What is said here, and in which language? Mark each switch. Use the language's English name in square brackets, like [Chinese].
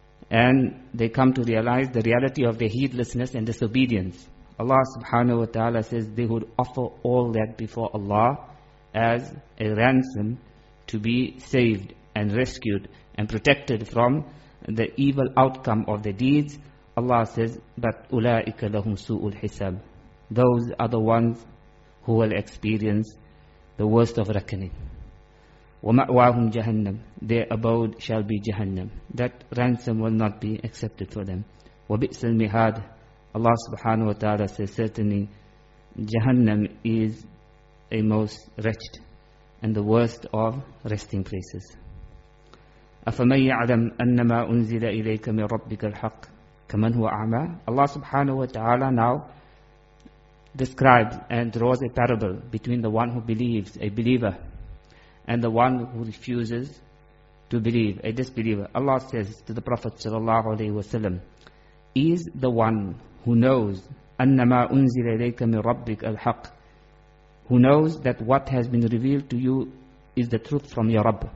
[English] And they come to realize the reality of their heedlessness and disobedience. Allah subhanahu wa ta'ala says they would offer all that before Allah as a ransom to be saved and rescued and protected from the evil outcome of their deeds. [Arabic] Allah [English] says, but [Arabic] أُولَٰئِكَ لَهُمْ سُوءُ الْحِسَابِ. [English] Those are the ones who will experience the worst of reckoning. [Arabic] وَمَأْوَاهُمْ جَهَنَّمْ. [English] Their abode shall be Jahannam. That ransom will not be accepted for them. [Arabic] وَبِئْسَ الْمِهَادِ. [English] Allah subhanahu wa ta'ala says, certainly Jahannam is a most wretched and the worst of resting places. [Arabic] أَفَمَنْ يَعْلَمْ أَنَّمَا أُنزِلَ إِلَيْكَ مِنْ رَبِّكَ الْحَقِّ كَمَنْ هُوَ أَعْمَى. [English] Allah subhanahu wa ta'ala now described and draws a parable between the one who believes, a believer, and the one who refuses to believe, a disbeliever. Allah says to the Prophet sallallahu alaihi wasallam, is the one who knows [Arabic] annama unzila ilayka min rabbik al-haq, [English] who knows that what has been revealed to you is the truth from your Rabb.